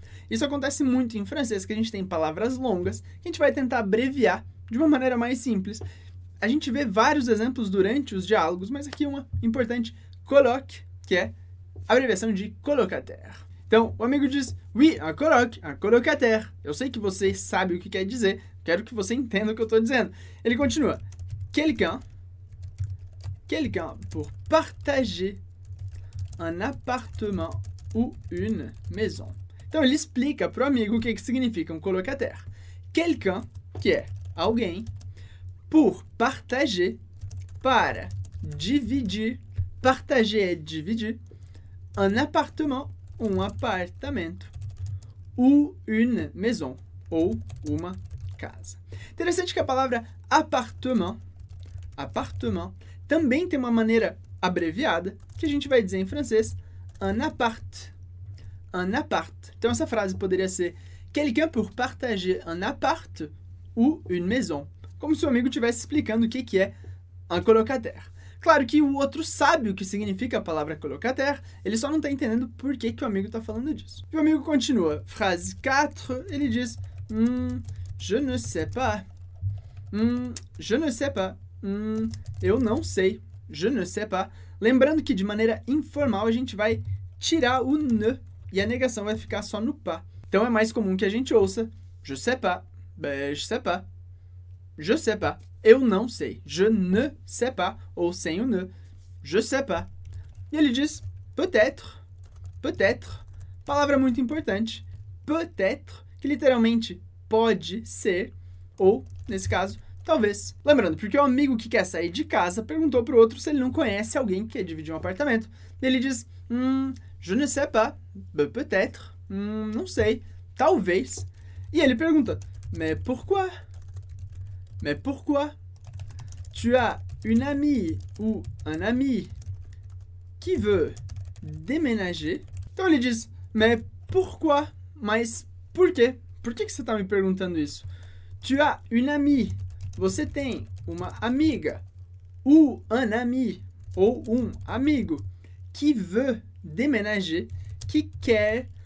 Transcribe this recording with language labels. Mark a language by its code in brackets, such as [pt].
[pt] Isso acontece muito em francês, que a gente tem palavras longas, que a gente vai tentar abreviar de uma maneira mais simples. A gente vê vários exemplos durante os diálogos, mas aqui uma importante, colloque, que é a abreviação de colocataire. Então, o amigo diz, [fr] oui, un colloque, un colocataire. [pt] Eu sei que você sabe o que quer dizer, quero que você entenda o que eu estou dizendo. Ele continua, [fr] quelqu'un, quelqu'un pour partager un appartement ou une maison. [pt] Então, ele explica para o amigo o que, que significa um colocataire. [fr] Quelqu'un, [pt] que é alguém, [fr] pour partager, [pt] para dividir, partager é dividir, [fr] un appartement, [pt] um apartamento, [fr] ou une maison, [pt] ou uma casa. Interessante que a palavra appartement, appartement, também tem uma maneira abreviada, que a gente vai dizer em francês, un appart. [fr] Un appart. [pt] Então, essa frase poderia ser [fr] quelqu'un pour partager un appart ou une maison. [pt] Como se o amigo estivesse explicando o que, que é un colocataire. Claro que o outro sabe o que significa a palavra colocataire, ele só não está entendendo por que, que o amigo está falando disso. E o amigo continua. Frase 4, ele diz [fr] je ne sais pas. Je ne sais pas. [pt] Eu não sei. [fr] Je ne sais pas. [pt] Lembrando que de maneira informal a gente vai tirar o ne e a negação vai ficar só no pas. Então é mais comum que a gente ouça [fr] je sais pas. Ben, je sais pas. Je sais pas. [pt] Eu não sei. [fr] Je ne sais pas. [pt] Ou sem o ne. [fr] Je sais pas. [pt] E ele diz [fr] peut-être. Peut-être. [pt] Palavra muito importante. [fr] Peut-être. [pt] Que literalmente pode ser. Ou, nesse caso, talvez. Lembrando, porque o amigo que quer sair de casa perguntou pro outro se ele não conhece alguém que quer dividir um apartamento. E ele diz [fr] je ne sais pas. Ben, peut-être. [pt] Não sei. Talvez. E ele pergunta [fr] mais pourquoi? Mais pourquoi? Tu as une amie ou un ami qui veut déménager? [pt] Então ele diz, [fr] mais pourquoi? [pt] Mas por quê? Por que que você tá me perguntando isso? [fr] Tu as une amie. [pt] Você tem uma amiga ou [fr] un ami [pt] ou um amigo [fr] qui veut déménager, [pt] que quer.